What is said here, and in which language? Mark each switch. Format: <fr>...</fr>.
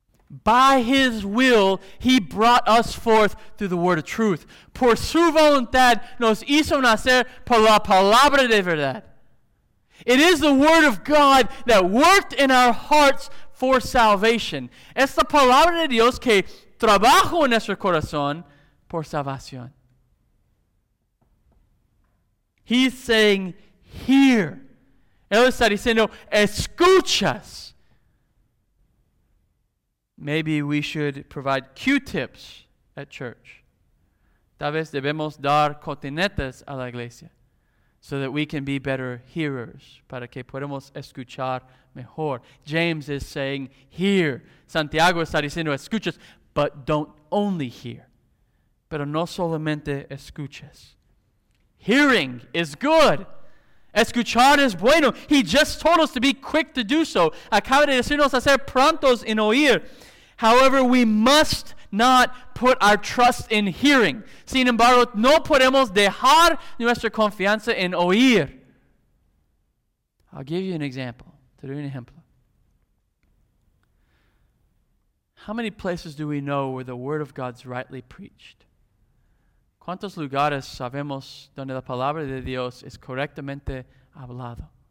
<en>By his will, he brought us forth through the word of truth.</en> <es>Por su voluntad, nos hizo nacer por la palabra de verdad.</es> <en>It is the word of God that worked in our hearts for salvation.</en> <es>Es la palabra de Dios que trabajó en nuestro corazón por salvación.</es> <en>He's saying, hear.</en> <es>Él está diciendo, escuchas.</es> <en>Maybe we should provide Q-tips at church.</en> <es>Tal vez debemos dar cotinetas a la iglesia</es> <en>so that we can be better hearers,</en> <es>para que podamos escuchar mejor.</es> <en>James is saying, hear.</en> <es>Santiago está diciendo, escuchas,</es> <en>but don't only hear.</en> <es>Pero no solamente escuchas.</es> <en>Hearing is good.</en> <es>Escuchar es bueno.</es> <en>He just told us to be quick to do so.</en> <es>Acaba de decirnos a ser prontos en oír.</es> <en>However, we must not put our trust in hearing.</en> <es>Sin embargo, no podemos dejar nuestra confianza en oír.</es> <en>I'll give you an example.</en> <es>Te doy un ejemplo.</es> <en>How many places do we know where the word of God's rightly preached?</en> <es>¿Cuántos lugares sabemos donde la palabra de Dios es correctamente hablado?</es>